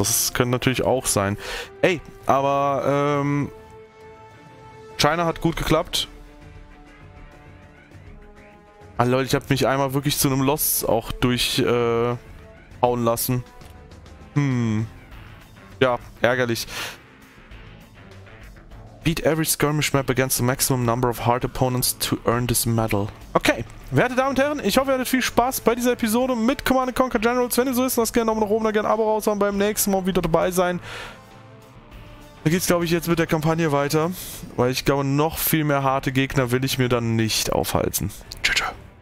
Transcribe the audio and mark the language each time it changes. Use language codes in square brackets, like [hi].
[de] Das könnte natürlich auch sein. Ey, aber, China hat gut geklappt. Ah, Leute, ich habe mich einmal wirklich zu einem Loss auch durchhauen lassen. Ja, ärgerlich. [en] Beat every skirmish map against the maximum number of hard opponents to earn this medal. [de] Okay, werte Damen und Herren, ich hoffe, ihr hattet viel Spaß bei dieser Episode mit Command & Conquer Generals. Wenn ihr so ist, lasst gerne Daumen nach oben, dann gerne ein Abo raushauen, beim nächsten Mal wieder dabei sein. Da geht's, glaube ich, jetzt mit der Kampagne weiter, weil ich glaube, noch viel mehr harte Gegner will ich mir dann nicht aufhalten. Tschüss.